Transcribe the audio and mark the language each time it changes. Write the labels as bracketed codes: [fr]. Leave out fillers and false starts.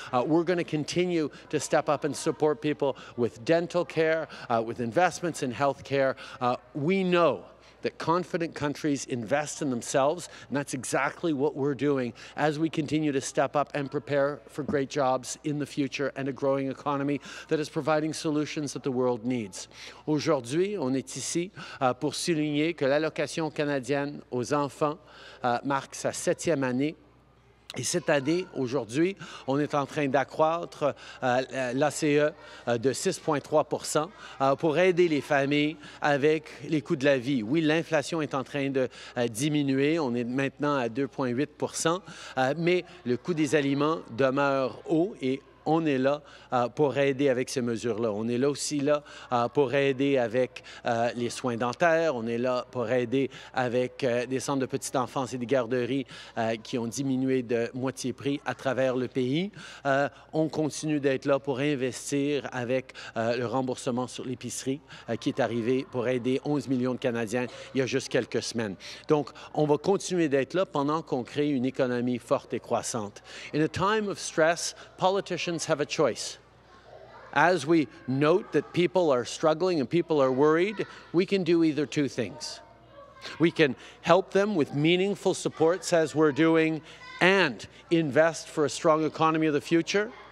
[en] We're going to continue to step up and support people with dental care, with investments in health care. We know that confident countries invest in themselves, and that's exactly what we're doing as we continue to step up and prepare for great jobs in the future and a growing economy that is providing solutions that the world needs. [fr] Aujourd'hui, on est ici pour souligner que l'allocation canadienne aux enfants marque sa 7e année. Et cette année, aujourd'hui, on est en train d'accroître l'ACE de 6,3% pour aider les familles avec les coûts de la vie. Oui, l'inflation est en train de diminuer. On est maintenant à 2,8%, mais le coût des aliments demeure haut et on est là pour aider avec ces mesures-là. On est là aussi là pour aider avec les soins dentaires. On est là pour aider avec des centres de petite enfance et des garderies qui ont diminué de moitié prix à travers le pays. On continue d'être là pour investir avec le remboursement sur l'épicerie qui est arrivé pour aider 11 millions de Canadiens il y a juste quelques semaines. Donc, on va continuer d'être là pendant qu'on crée une économie forte et croissante. [en] In a time of stress, politicians have a choice. As we note that people are struggling and people are worried, we can do either two things. We can help them with meaningful supports, as we're doing, and invest for a strong economy of the future.